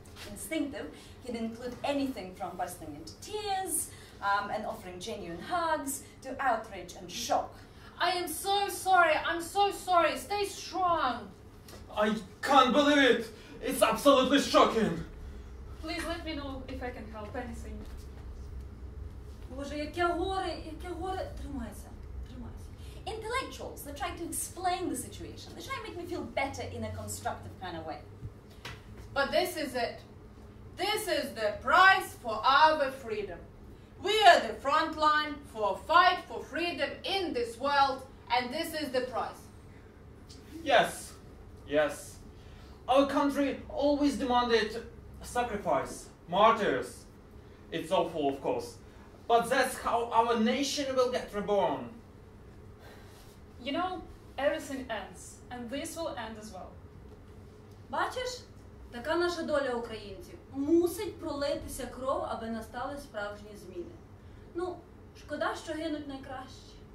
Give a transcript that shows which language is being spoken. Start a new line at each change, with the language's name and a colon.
English: Instinctive can include anything from bursting into tears, and offering genuine hugs, to outrage and shock. I am so sorry, I'm so sorry, stay strong. I can't believe it, it's absolutely shocking. Please let me know if I can help anything.
Ukrainian: Боже, яке горе, тримайся, тримайся.
English: Intellectuals, they try to explain the situation, they try to make me feel better in a constructive kind of way. But this is it. This is the price for our freedom. We are the front line for a fight for freedom in this world, and this is the price. Yes, yes. Our country always demanded sacrifice, martyrs. It's awful, of course, but that's how our nation will get reborn. You know, everything ends, and this will end as well.
Ukrainian: Бачиш? Така наша доля українців. Мусить пролитися кров, аби настали справжні зміни. Ну, шкода, що гинуть найкращі.